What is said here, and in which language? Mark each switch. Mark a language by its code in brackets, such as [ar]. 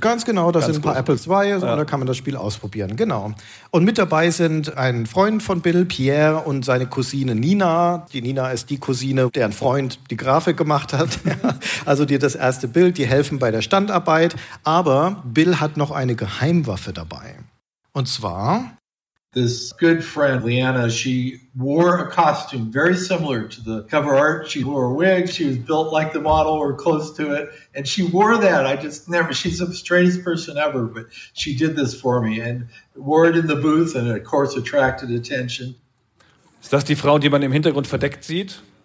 [de] Ganz genau, das sind ein paar Apple II, so, ja, da kann man das Spiel ausprobieren, genau. Und mit dabei sind ein Freund von Bill, Pierre, und seine Cousine Nina. Die Nina ist die Cousine, deren Freund die Grafik gemacht hat. Also die das erste Bild, die helfen bei der Standarbeit. Aber Bill hat noch eine Geheimwaffe dabei. Und zwar [en] this good friend, Leanna, she wore a costume very similar to the cover art. She wore a wig. She was built like the model or close to it. And she wore that. She's the straightest person ever, but she did this for me and wore it in the booth and it, of course, attracted attention. [de] Ist das die Frau, die man im Hintergrund verdeckt sieht?